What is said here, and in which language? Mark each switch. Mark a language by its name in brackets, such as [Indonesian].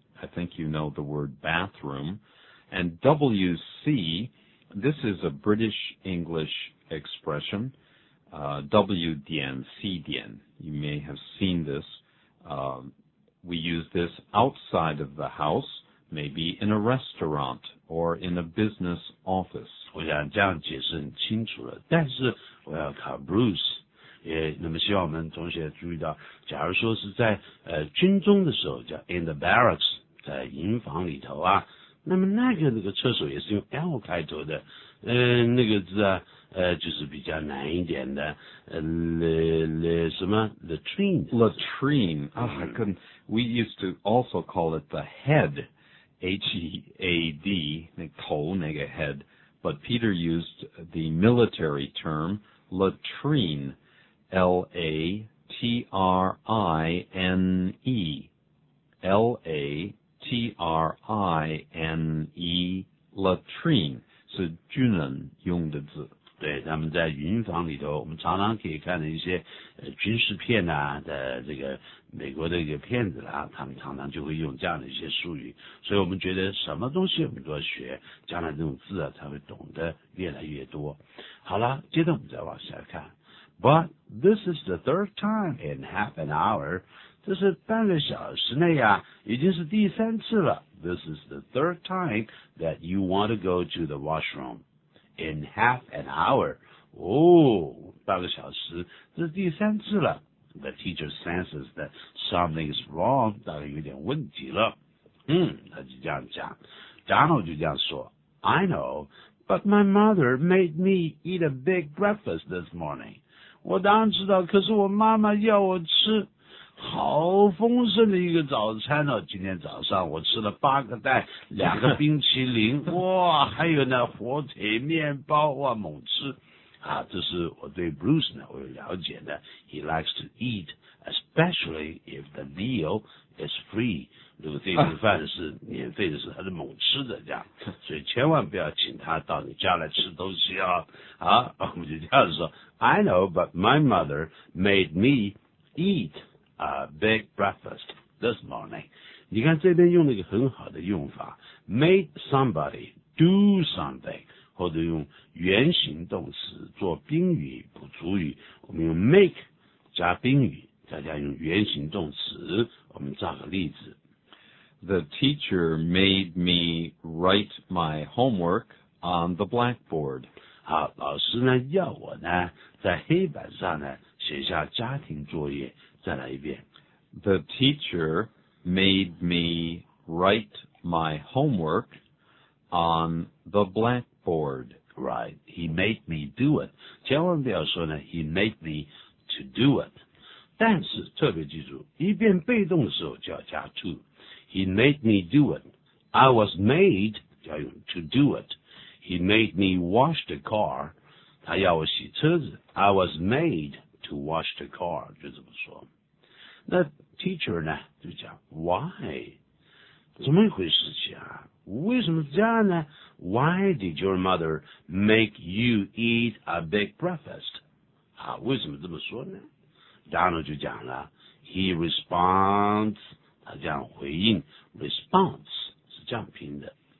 [English] I think you know the word bathroom. And WC, this is a British English expression. WDN, CDN. You may have seen this. We use this outside of the house, maybe in a restaurant or in a business office. [Chinese] 我想这样解释很清楚了。但是我要考 Bruce， 也那么希望我们同学注意到，假如说是在军中的时候，叫 [English] in the barracks， [Chinese] 在营房里头啊，那么那个厕所也是用 L 开头的，那个字啊，就是比较难一点的，什么 latrine。 [English] latrine 啊、oh, ，I couldn't。We used to also call it the head。 H-E-A-D, [Chinese] 那头那个 [English] head, but Peter used the military term latrine, L-A-T-R-I-N-E, L-A-T-R-I-N-E, latrine, [Chinese] 是军人用的字。对，他们在云房里头，我们常常可以看到一些军事片啊的这个美国的一个片子啦、啊，他们常常就会用这样的一些术语，所以我们觉得什么东西我们都要学，将来这种字啊才会懂得越来越多。好啦，接着我们再往下看。 [English] But this is the third time in half an hour， [Chinese] 这是半个小时内啊，已经是第三次了。 [English] This is the third time that you want to go to the washroom。 In half an hour. [Chinese] Oh, 半个小时，这是第三次了。 [English] The teacher senses that something is wrong, [Chinese] 大概有点问题了。他就这样讲。 [English] Donald [Chinese] 就这样说， [English] I know, but my mother made me eat a big breakfast this morning. [Chinese] 我当然知道，可是我妈妈要我吃好丰盛的一个早餐哦！今天早上我吃了八个蛋，两个冰淇淋，哇，还有那火腿面包，哇，猛吃！啊，这是我对 Bruce 呢，我有了解的。 [English] He likes to eat, especially if the meal is free. [Chinese] 如果这顿饭是免费的，是他的猛吃的这样，所以千万不要请他到你家来吃东西啊！啊，我们就这样说。 [English] I know, but my mother made me eat. A big breakfast this morning. [Chinese] 你看这边用了一个很好的用法 ， [English] made somebody do something， [Chinese] 或者用原形动词做宾语补足语。我们用 make 加宾语，再加用原形动词。我们造个例子 [English] ：The teacher made me write my homework on the blackboard. [Chinese] 好，老师呢要我呢在黑板上呢写下家庭作业。再来一遍。 [English] The teacher made me write my homework on the blackboard. Right. He made me do it. [Chinese] 千万不要说呢 [English] he made me to do it. [Chinese] 但是特别记住一遍被动的时候就要加 to. [English] He made me do it. I was made [Chinese] 要用 [English] to do it. He made me wash the car. [Chinese] 他要我洗车子。 [English] I was made. To wash the car, [Chinese] 就这么说。 [English] 那 teacher [Chinese] 呢就讲 [English] why? [Chinese] 怎么一回事情啊为什么这样呢 [English] Why did your mother make you eat a big breakfast? [Chinese] 啊为什么这么说呢 Donald 就讲了 [English] He responds, [Chinese] 他这样回应 response 是这样拼的